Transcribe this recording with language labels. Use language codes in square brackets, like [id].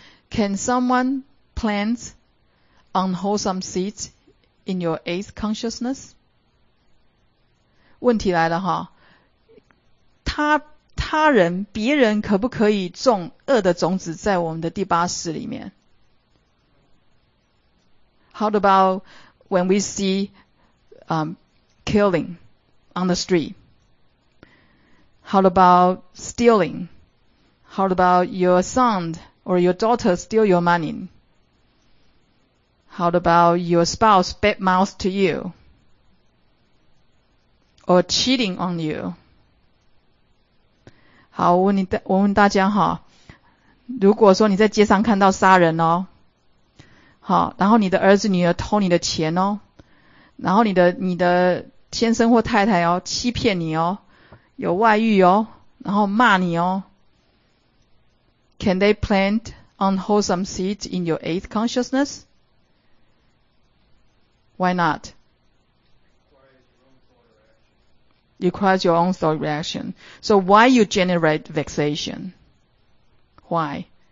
[en] Can someone plant unwholesome seeds in your eighth consciousness? [zh] 问题来了，他 他人，别人可不可以种恶的种子在我们的第八识里面？ [en] How about when we see killing on the street? How about stealing? How about your son or your daughter steal your money? How about your spouse bad mouth to you? Or cheating on you? [zh] 好，我问大家哈，如果说你在街上看到杀人哦，好，然后你的儿子女儿偷你的钱哦，然后你的先生或太太哦欺骗你哦，有外遇哦，然后骂你哦。 [en] Can they plant unwholesome seeds in your eighth consciousness? Why not? Requires your own thought reaction. So why you generate vexation? Why?